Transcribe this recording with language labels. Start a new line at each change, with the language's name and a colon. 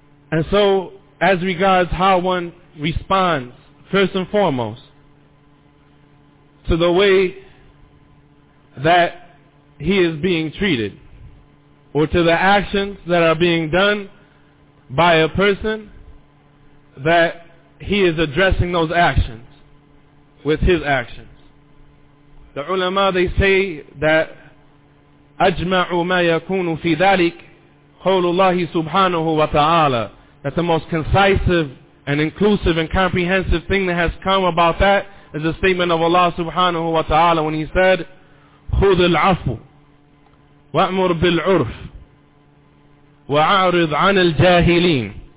English: And so, as regards how one responds, first and foremost, to the way that he is being treated, or to the actions that are being done by a person, that he is addressing those actions with his actions. The ulama, they say that
Arabic: أَجْمَعُ مَا يَكُونُ فِي ذَلِكَ قَوْلُ اللَّهِ سُبْحَانَهُ وَتَعَالَى.
English: That the most concisive and inclusive and comprehensive thing that has come about that is the statement of Allah subhanahu wa ta'ala when He said,
Arabic: خُذِ الْعَفُ وَأْمُرْ بِالْعُرْفِ وَأَعْرِضْ عَنِ الْجَاهِلِينَ.